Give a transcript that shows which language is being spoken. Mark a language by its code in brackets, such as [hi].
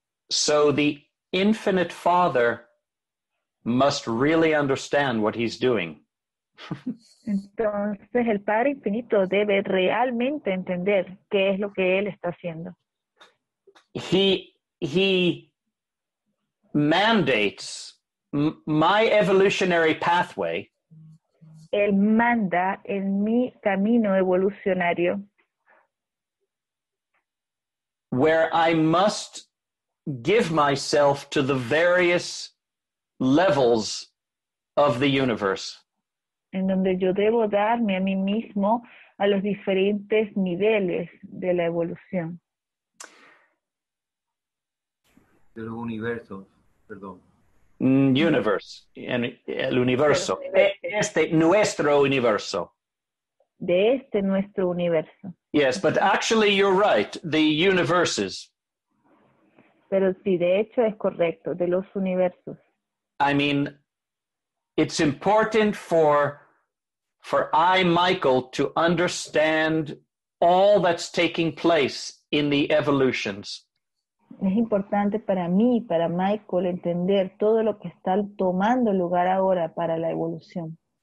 [en] So the Infinite Father must really understand what he's doing. [es] Entonces el Padre Infinito debe realmente entender qué es lo que él está haciendo. [en] He mandates my evolutionary pathway. [es] Él manda en mi camino evolucionario. [en] Where I must give myself to the various levels of the universe. [es] En donde yo debo darme a mí mismo a los diferentes niveles de la evolución. De los universos, perdón. Universe, el universo. Este, nuestro universo. De este, nuestro universo. [en] Yes, but actually you're right, the universes. [es] Pero sí, de hecho es correcto, de los universos. [en] I mean, it's important for I, Michael, to understand all that's taking place in the evolutions. [es] Es importante para mí, para Michael, entender todo lo que está tomando lugar ahora para la evolución.